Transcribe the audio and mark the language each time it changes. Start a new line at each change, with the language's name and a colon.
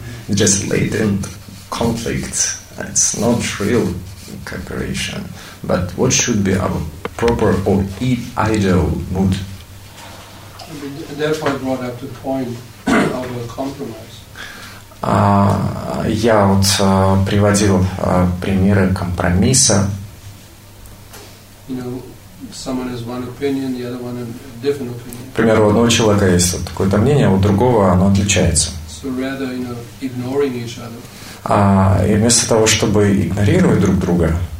English: Just latent conflict. It's not real cooperation. But what should be our proper or ideal mood? Therefore, I brought up the point of a compromise.
Russian: Я вот приводил примеры компромисса.
English: You know, someone has one opinion, the other one a different opinion.
Russian: К примеру, у одного человека есть вот какое-то мнение, у другого оно отличается.
English: So rather, you know, ignoring each other.
Russian: И вместо того, чтобы игнорировать друг друга,